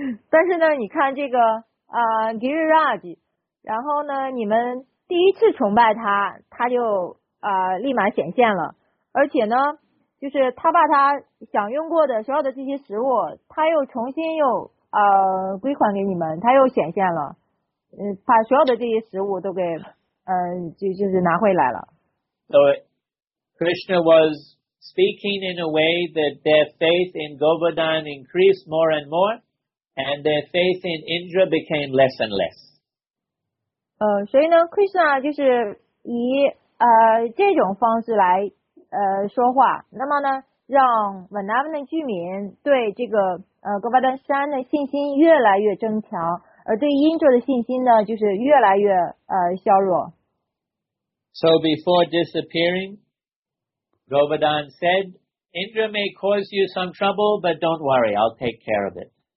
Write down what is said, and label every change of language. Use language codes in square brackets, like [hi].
[zh] 但是呢，你看这个Giriraj， 然后呢，你们第一次崇拜他，他就立马显现了。而且呢，就是他把他享用过的所有的这些食物，他又重新又归还给你们，他又显现了。把所有的这些食物都给就是拿回来了。对。 [en] Krishna was speaking in a way that their faith in Govardhan increased more and more, and their faith in Indra became less and less. [zh] 所以呢 ，Krishna 就是以这种方式来说话。那么呢，让 Vrindavan 的居民对这个Govardhan 山的信心越来越增强，而对因着的信心呢，就是越来越削弱。 [en] So before disappearing, Govardhan said, "Indra may cause you some trouble, but don't worry, I'll take care of it."